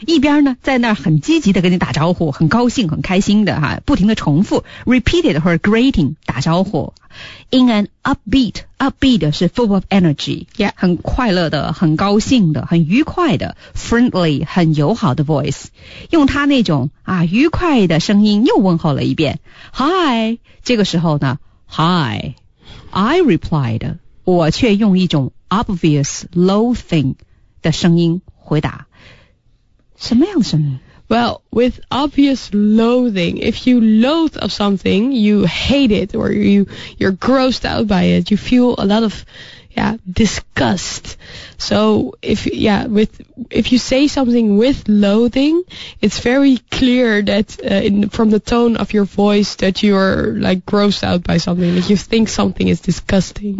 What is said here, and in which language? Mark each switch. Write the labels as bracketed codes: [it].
[zh] 一边呢，在那儿很积极地跟你打招呼，很高兴，很开心的哈，不停地重复 [en] repeated her greeting, [zh] 打招呼。 [en] In an upbeat, upbeat 是 full of energy, yeah, [zh] 很快乐的，很高兴的，很愉快的 friendly, 很友好的 voice, 用他那种啊愉快的声音又问候了一遍 Hi, 这个时候呢 [en] Hi, I replied, [zh] 我却用一种 [en] obvious, low thing [zh] 的声音回答。什么样的声音？ [en] Well, with obvious loathing, if you loathe of something, you hate it, or you're grossed out by it, you feel a lot of, yeah, disgust. So, if you say something with loathing, it's very clear that, from the tone of your voice that you're, like, grossed out by something, like you think something is disgusting.